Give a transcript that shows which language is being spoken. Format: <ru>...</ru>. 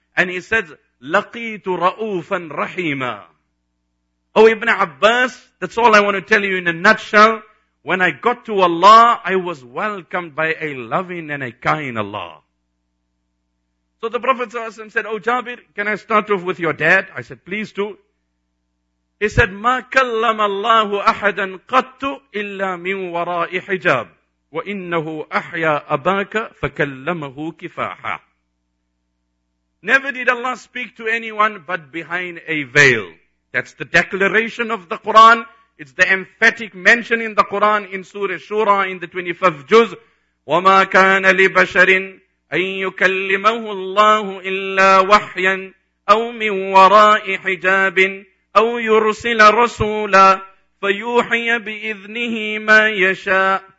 <en>And he said,</en> <ar>لقيت رؤوفا رحيما.</ar> <en>Oh, Ibn Abbas, that's all I want to tell you in a nutshell. When I got to Allah, I was welcomed by a loving and a kind Allah. So the Prophet said, oh, Jabir, can I start off with your dad? I said, please do. He said,</en> <ar>ما كلم الله أحدا قط إلا من وراء حجاب وإنه أحيا أباك فكلمه كفاحا.</ar> <en>Never did Allah speak to anyone but behind a veil. That's the declaration of the Quran. It's the emphatic mention in the Quran in Surah Shura in the 25th juz.</en> <ar>وَمَا كَانَ لِبَشَرٍ أَن يُكَلِّمَهُ اللَّهُ إِلَّا وَحْيًا أَوْ مِنْ وَرَاءِ حِجَابٍ أَوْ يُرْسِلَ رَسُولًا فَيُوحِيَ بِإِذْنِهِ مَا يَشَاءُ.</ar>